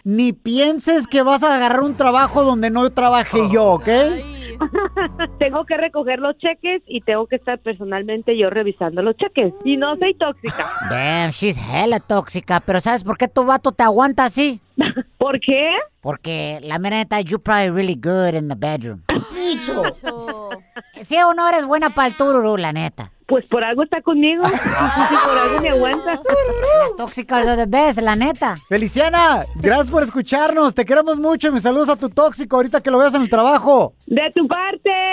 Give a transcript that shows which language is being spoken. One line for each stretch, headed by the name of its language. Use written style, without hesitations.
Spanish: Ni pienses que vas a agarrar un trabajo donde no trabaje yo, ¿ok? Tengo que recoger los cheques y tengo que estar personalmente yo revisando los cheques. Y no soy tóxica.
English: Damn, she's hella tóxica.
Spanish: ¿Pero sabes por qué tu vato te aguanta así? ¿Por qué? Porque, la mera neta,
English: you're probably really good in the bedroom.
Spanish: ¡Bicho! Sí o no, eres buena para el tururú, la neta. Pues por algo está conmigo. Por algo me aguanta. Las tóxicas
English: are the best,
Spanish: la neta. Feliciana, gracias por escucharnos. Te queremos mucho y me saludos a tu tóxico ahorita que lo veas en el trabajo. De tu parte.